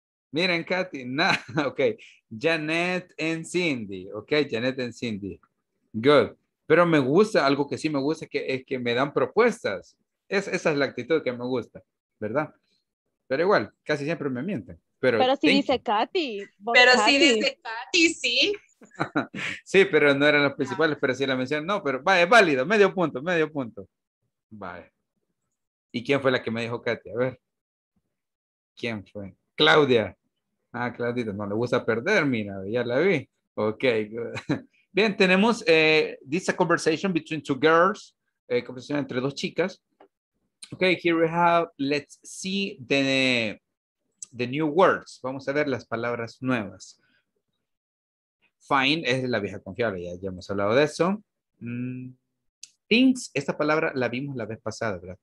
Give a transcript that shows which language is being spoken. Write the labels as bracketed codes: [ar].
[en] Miren, Katy, Janet and Cindy, ok, Janet and Cindy, good. [es] Pero me gusta, algo que sí me gusta es que me dan propuestas. Esa es la actitud que me gusta, ¿verdad? Pero igual, casi siempre me mienten. Pero si dice Katy. Pero si dice Katy, sí. Sí, pero no eran los principales, pero sí la mencioné. No, pero vale, válido, medio punto, medio punto. Vale. ¿Y quién fue la que me dijo Katy? A ver. ¿Quién fue? Claudia. Ah, Claudita, no le gusta perder, mira, ya la vi. [en] Ok, good. [es] Bien, tenemos [en] this a conversation between two girls, [es] conversación entre dos chicas. [en] Okay, here we have, let's see the new words. [es] Vamos a ver las palabras nuevas. Fine es la vieja confiable, ya hemos hablado de eso. Things, esta palabra la vimos la vez pasada, ¿verdad?